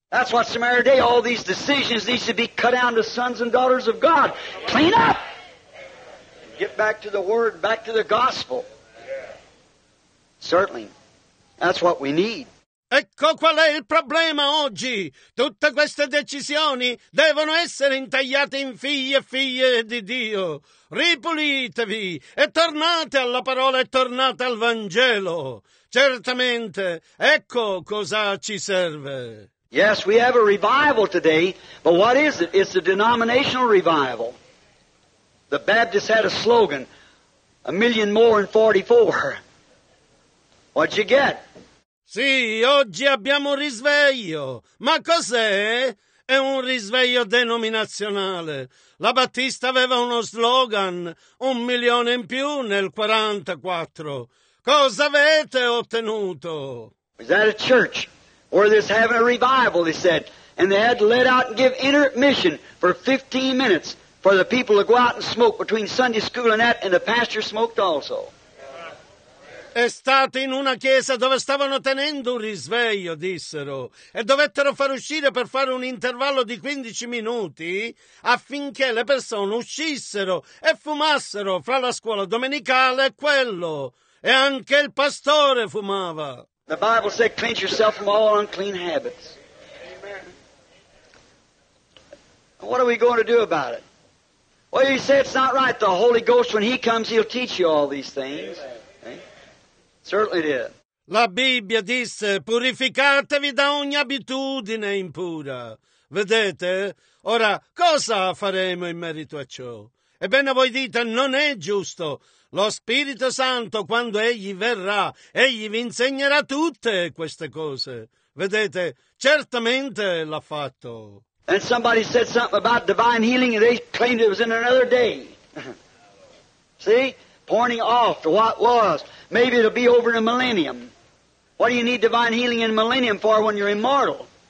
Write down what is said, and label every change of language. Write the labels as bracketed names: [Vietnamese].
[English] That's what Samaria Day, all these decisions need to be cut down to sons and daughters of God. Clean up! Get back to the Word, back to the Gospel. Certainly, that's what we need. [Italian] Ecco qual è il problema oggi. Tutte queste decisioni devono essere intagliate in figli e figlie di Dio. Ripulitevi e tornate alla parola e tornate al Vangelo. Certamente, ecco cosa ci serve. [English] Yes, we have a revival today, but what is it? It's a denominational revival. The Baptists had a slogan, a million more in 44. What'd you get? [Italian] Sì, oggi abbiamo un risveglio. Ma cos'è? È un risveglio denominazionale. La Battista aveva uno slogan, un milione in più nel 44. Cosa avete ottenuto? [English] Is that a church? Or this having a revival, they said. And they had to let out and give intermission for 15 minutes for the people to go out and smoke between Sunday school and that, and the pastor smoked also. [Italian] È stato in una chiesa dove stavano tenendo un risveglio, dissero, e dovettero far uscire per fare un intervallo di 15 minuti affinché le persone uscissero e fumassero fra la scuola domenicale e quello. E anche il pastore fumava. [English] The Bible said, cleanse yourself from all unclean habits. Amen. What are we going to do about it? Well, you say it's not right. The Holy Ghost, when He comes, He'll teach you all these things. Amen. Certainly it is. [Italian] La Bibbia disse, purificatevi da ogni abitudine impura. Vedete? Ora, cosa faremo in merito a ciò? Ebbene, voi dite, non è giusto. Lo Spirito Santo, quando Egli verrà, Egli vi insegnerà tutte queste cose. Vedete, certamente l'ha fatto. [English] And somebody said something about divine healing and they claimed it was in another day. See? Pointing off to what was. Maybe it'll be over in a millennium. What do you need divine healing in a millennium for when you're immortal?